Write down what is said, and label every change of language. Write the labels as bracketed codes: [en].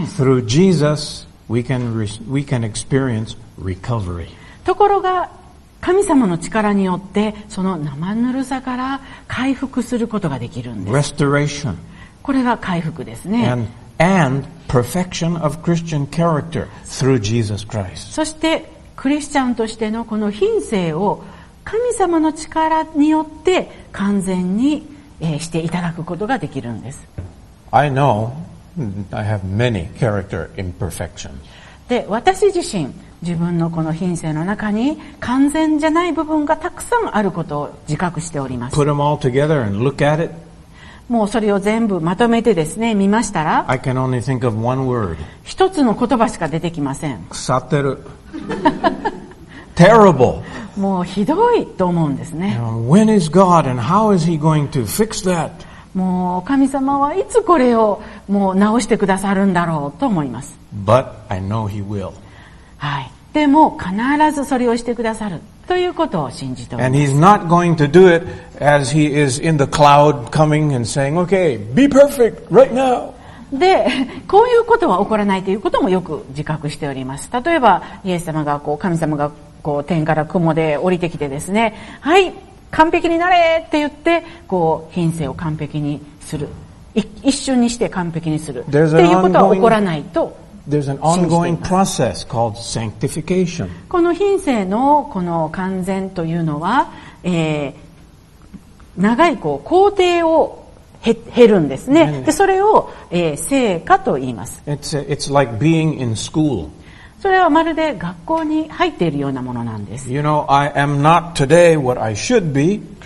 [en] Through Jesus, we can experience recovery. [ja] ところが、神様の力によって、その生ぬるさから回復することができるんです。 [en] Restoration. [ja] これが回復ですね。 [en] And perfection of Christian character through Jesus Christ. [ja] そしてクリスチャンとしてのこの品性を神様の力によって完全にしていただくことができるんです。 [en] I know I have many character imperfections. [ja] で、私自身、自分のこの品性の中に完全じゃない部分がたくさんあることを自覚しております。 [en] Put them all together and look at it. [ja] もうそれを全部まとめてですね、見ましたら、 [en] I can only think of one word. [ja] 一つの言葉しか出てきません。腐ってる。 [en] Terrible. [ja] もうひどいと思うんですね。 [en] When is God and how is he going to fix that? [ja] もう神様はいつこれをもう直してくださるんだろうと思います。 [en] But I know he will. [ja] はい。でも必ずそれをしてくださる。ということを信じております。 [en] And he's not going to do it as he is in the cloud coming and saying, okay, be perfect right now. [ja] で、こういうことは起こらないということもよく自覚しております。例えば、イエス様がこう、神様がこう、天から雲で降りてきてですね、はい、完璧になれって言って、こう、品性を完璧にする。一瞬にして完璧にする。っていうことは起こらないと。 [en] There's an ongoing process called sanctification. [ja] この品性のこの完全というのは、長いこう工程を経るんですね。で、それを、成果と言います。 [en] It's like being in school. [ja] それはまるで学校に入っているようなものなんです。 [en] You know, I am not today what I should be.